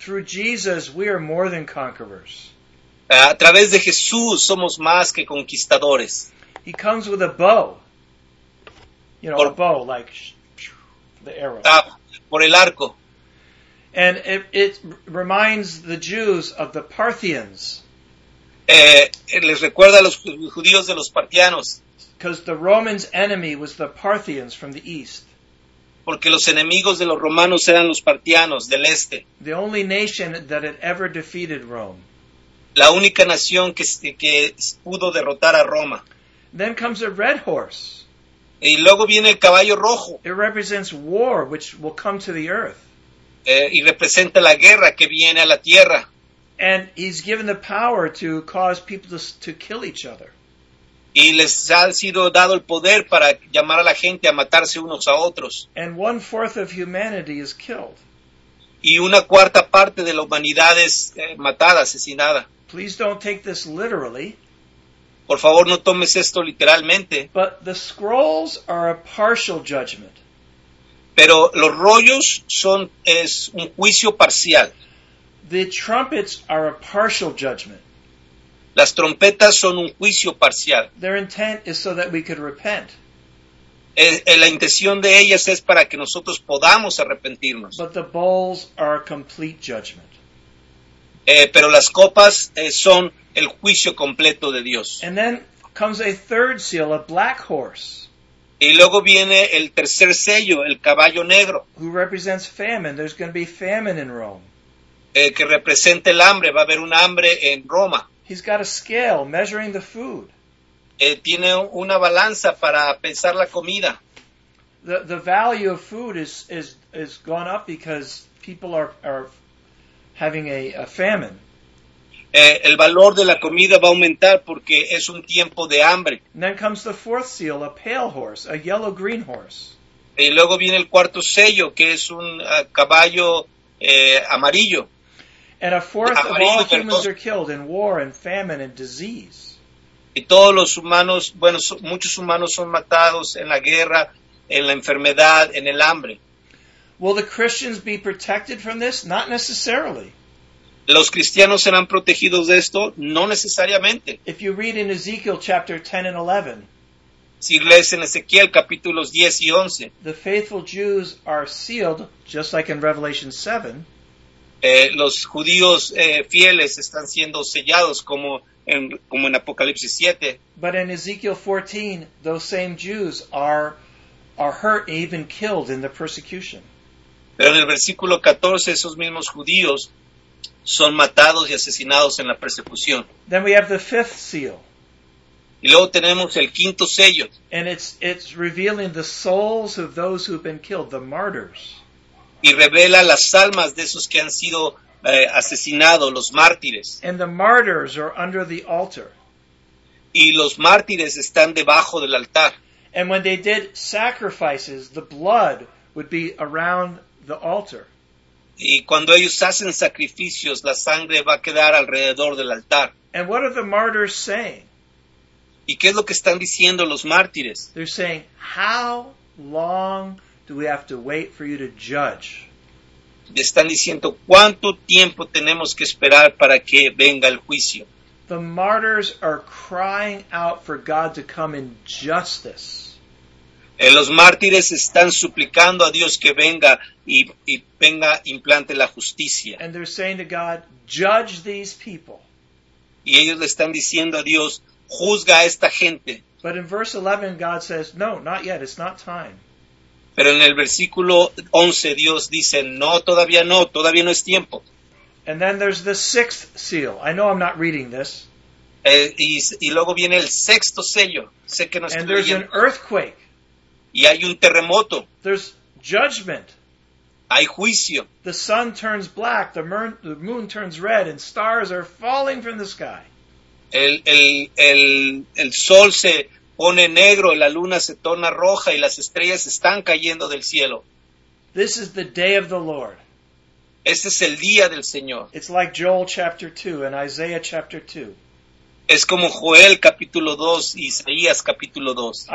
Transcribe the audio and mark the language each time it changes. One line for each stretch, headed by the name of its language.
English: Through Jesus, we are more than conquerors.
Spanish: A través de Jesús somos más que conquistadores.
English: He comes with a bow. You know, a bow, like the arrow.
Spanish: Por el arco.
English: And it reminds the Jews of the Parthians.
Spanish: Les recuerda a los judíos de los partianos.
English: Because the Romans' enemy was the Parthians from the east.
Spanish: Porque los enemigos de los romanos eran los partianos del este.
English: The only nation that had ever defeated Rome.
Spanish: La única nación que pudo derrotar a Roma.
English: Then comes a red horse.
Spanish: Y luego viene el caballo rojo.
English: It represents war, which will come to the earth.
Spanish: Y representa la guerra que viene a la tierra.
English: And he's given the power to cause people to kill each other.
Spanish: Y les ha sido dado el poder para llamar a la gente a matarse unos a otros.
English: And one fourth of humanity is killed.
Spanish: Y una cuarta parte de la humanidad es matada, asesinada.
English: Please don't take this literally.
Spanish: Por favor, no tomes esto literalmente.
English: But the scrolls are a partial judgment.
Spanish: Pero los rollos son es un juicio parcial.
English: The trumpets are a partial judgment.
Spanish: Las trompetas son un juicio parcial.
English: Their intent is so that we could repent.
Spanish: La intención de ellas es para que nosotros podamos arrepentirnos.
English: But the bowls are a complete judgment.
Spanish: Pero las copas son el juicio completo de Dios.
English: And then comes a third seal, a black horse.
Spanish: Y luego viene el tercer sello, el caballo negro.
English: Who represents famine. There's going to be famine in Rome.
Spanish: Que representa el hambre. Va a haber un hambre en Roma.
English: He's got a scale measuring the food.
Spanish: Tiene una balanza para pesar la comida.
English: The value of food is gone up because people are having a famine.
Spanish: El valor de la comida va a aumentar porque es un tiempo de hambre.
English: And then comes the fourth seal, a pale horse, a yellow-green horse.
Spanish: Y luego viene el cuarto sello, que es un caballo amarillo.
English: And a fourth
Spanish: amarillo,
English: of all humans are killed in war and famine and disease.
Spanish: Y todos los humanos, bueno, muchos humanos son matados en la guerra, en la enfermedad, en el hambre.
English: Will the Christians be protected from this? Not necessarily.
Spanish: ¿Los cristianos serán protegidos de esto? No necesariamente.
English: If you read in Ezekiel chapter 10 and 11,
Spanish: si lees en Ezequiel capítulos 10 y 11,
English: the faithful Jews are sealed, just like in Revelation 7,
Spanish: los judíos fieles están siendo sellados como en Apocalipsis 7.
English: But in Ezekiel 14, those same Jews are hurt and even killed in the persecution.
Spanish: Pero en el versículo 14, esos mismos judíos son matados y asesinados en la persecución.
English: Then we have the fifth seal.
Spanish: Y luego tenemos el quinto sello.
English: And it's revealing the souls of those who have been killed, the martyrs.
Spanish: Y revela las almas de esos que han sido asesinados, los mártires.
English: And the martyrs are under the altar.
Spanish: Y los mártires están debajo del altar.
English: And when they did sacrifices, the blood would be around the altar.
Spanish: Y cuando ellos hacen sacrificios, la sangre va a quedar alrededor del altar.
English: And what are the martyrs saying?
Spanish: ¿Y qué es lo que están diciendo los mártires?
English: They're saying, how long do we have to wait for you to judge?
Spanish: Están diciendo, ¿cuánto tiempo tenemos que esperar para que venga el juicio?
English: The martyrs are crying out for God to come in justice.
Spanish: Los mártires están suplicando a Dios que venga y venga implante la justicia.
English: And they're saying to God, judge these people.
Spanish: Y ellos le están diciendo a Dios, juzga a esta gente.
English: But in verse 11, God says, no, not yet, it's not time.
Spanish: Pero en el versículo 11, Dios dice, no, todavía no es tiempo.
English: And then there's the sixth seal. I know I'm not reading this.
Spanish: Y luego viene el sexto sello. Sé que no estoy leyendo.
English: And there's an earthquake.
Spanish: Y hay un terremoto.
English: There's judgment.
Spanish: Hay juicio.
English: The sun turns black, the moon turns red, and stars are falling from the sky.
Spanish: El sol se pone negro, la luna se torna roja, y las estrellas están cayendo del cielo.
English: This is the day of the Lord.
Spanish: Este es el día del Señor.
English: It's like Joel chapter 2 and Isaiah chapter 2.
Spanish: Es como Joel capítulo 2 y Isaías capítulo 2.